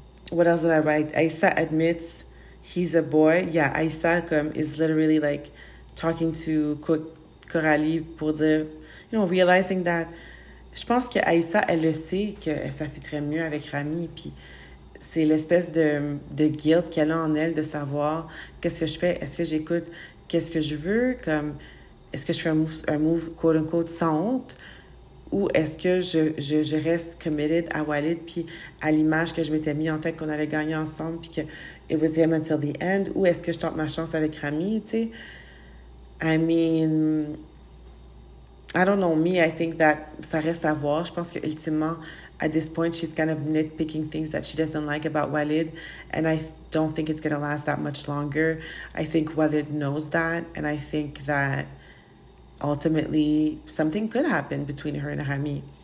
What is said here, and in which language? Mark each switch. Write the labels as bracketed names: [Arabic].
[English] What else did I write? Aïssa admits he's a boy. Yeah, Aïssa comme, is literally like talking to Coralie [French] pour dire, [English] you know, realizing that. [French] Je pense que Aïssa, elle le sait qu'elle s'affiterait mieux avec Rami. Puis c'est l'espèce de guilt qu'elle a en elle de savoir qu'est-ce que je fais, est-ce que j'écoute, qu'est-ce que je veux, comme est-ce que je fais un move quote-unquote sans honte ou est-ce que je reste committed à Walid puis à l'image que je m'étais mis en tête qu'on avait gagné ensemble puis que [English] it was him until the end [French] ou est-ce que je tente ma chance avec Rami, tu sais. [English] I mean, I don't know, me, I think that [French] ça reste à voir. Je pense qu'ultimement, [English] at this point, she's kind of nitpicking things that she doesn't like about Walid, and I don't think it's going to last that much longer. I think Walid knows that, and I think that ultimately something could happen between her and Rami.